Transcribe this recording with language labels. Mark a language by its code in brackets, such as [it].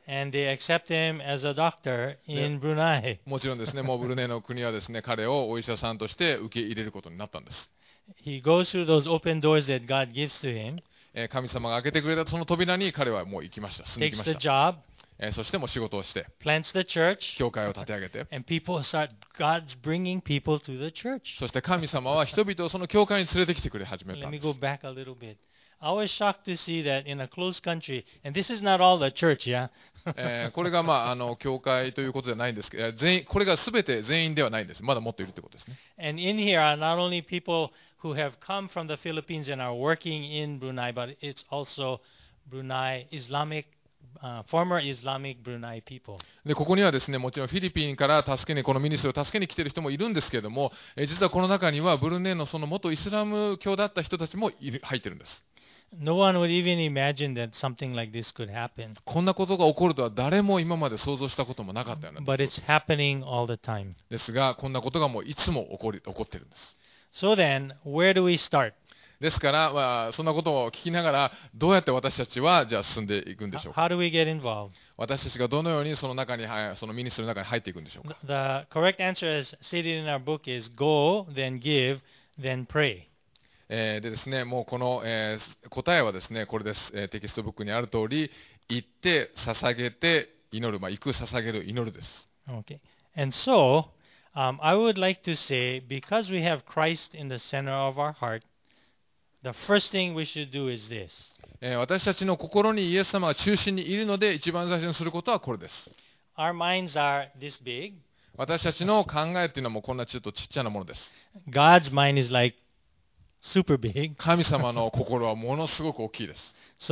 [en] And they accept him as a doctor in Brunei. [ja] もちろんですね、もうブルネイの国はですね、彼をお医者さんとして受け入れることになったんです。 [en] He goes through those open doors that God gives to him. [ja] 神様が開けてくれたその扉に彼はもう行きました。進んできました。 [en] Takes the job. [ja] そしてもう仕事をして、 [en] plants the church, [ja] 教会を立て上げて、 [en] and people start, God's bringing people to the church. [ja] そして神様は人々をその教会に連れてきてくれ始めたんです。 [en] Let me go back a little bit. I was shocked to see that in a closed country, and this is not all the church, yeah? [ja] これが、まあ、あの教会ということではないんですけど、これが全て全員ではないんです。まだもっといるということですね。 [en] And in here are not only people who have come from the Philippines and are working in Brunei, but it's also Brunei Islamic,former Islamic Brunei people. [ja] で、ここにはですね、もちろんフィリピンから助けに、このミニストリーを助けに来ている人もいるんですけれども、実はこの中にはブルネイのその元イスラム教だった人たちも入っているんです。 [en] No one would even imagine that something like this could happen. [ja] こんなことが起こるとは誰も今まで想像したこともなかったような。 [en] But it's happening all the time. [ja] ですが、こんなことがもういつも起こってるんです。 [en] So then, where do we start? [ja] ですから、まあ、そんなことを聞きながら、どうやって私たちはじゃあ進んでいくんでしょうか。 [en] How do we get involved? [ja] 私たちがどのようにその中に、そのミニストリーの中に入っていくんでしょうか。 [en] The correct answer is stated in our book is go, then give, then pray. [ja] でですね、もうこの、答えはですね、これです、テキストブックにある通り、行って捧げて祈る、まあ、行く捧げる祈るです。 [en] Okay. And so, I would like to say, because we have Christ in the center of our heart, the first thing we should do is this. [ja] 私たちの心にイエス様が中心にいるので、一番最初にすることはこれです。 [en] Our minds are this big. [ja] 私たちの考えっていうのはもうこんなちょっとちっちゃなものです。 [en] God's mind is like Super big. [ja] 神様の心はものすごく大きいです。